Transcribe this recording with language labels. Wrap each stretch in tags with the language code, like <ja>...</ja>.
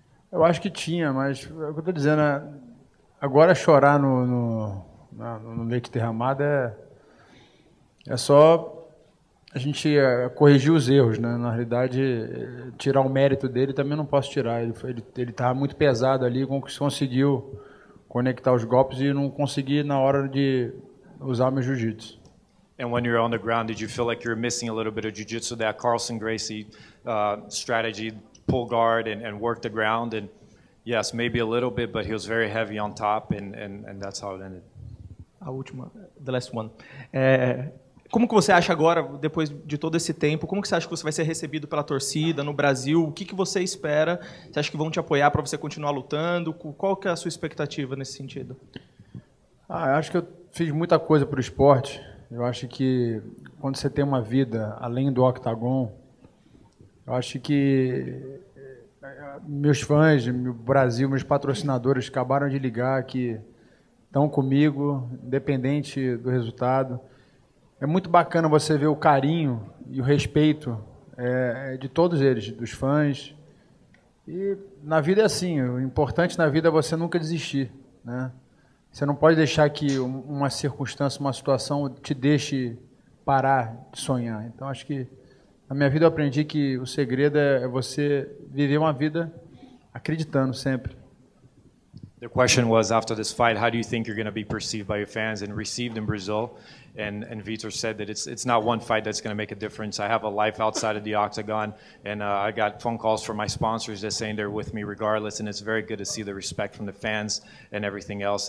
<pt>Eu acho que tinha, mas é o que eu estou dizendo, agora chorar no leite derramado é só a gente corrigir os erros, né? Na realidade, tirar o mérito dele também não posso tirar, ele estava muito pesado ali, conseguiu conectar os golpes e não consegui na hora de usar meu jiu-jitsu.</pt> <en>And when you're on the ground, did you feel like you're missing a little bit of jiu-jitsu, that Carlson Gracie strategy, pull guard and work the ground? And yes, maybe a little bit, but he was very heavy on top, and that's how it ended.</en> <pt>A última,</pt> <en>the last one.</en> <pt>Como que você acha agora, depois de todo esse tempo, como que você acha que você vai ser recebido pela torcida no Brasil? O que que você espera? Você acha que vão te apoiar para você continuar lutando? Qual que é a sua expectativa nesse sentido? Ah, eu acho que eu fiz muita coisa pro esporte. Eu acho que quando você tem uma vida além do octagon, eu acho que meus fãs, meu Brasil, meus patrocinadores acabaram de ligar que estão comigo, independente do resultado. É muito bacana você ver o carinho e o respeito de todos eles, dos fãs. E na vida é assim, o importante na vida é você nunca desistir, né? Você não pode deixar que uma circunstância, uma situação te deixe parar de sonhar. Então, acho que na minha vida eu aprendi que o segredo é você viver uma vida acreditando sempre.</pt> <en>The question was, after this fight, how do you think you're going to be perceived by your fans and received in Brazil? And Vitor said that it's not one fight that's going to make a difference. I have a life outside of the octagon, and I got phone calls from my sponsors just saying they're with me regardless, and it's very good to see the respect from the fans and everything else.</en>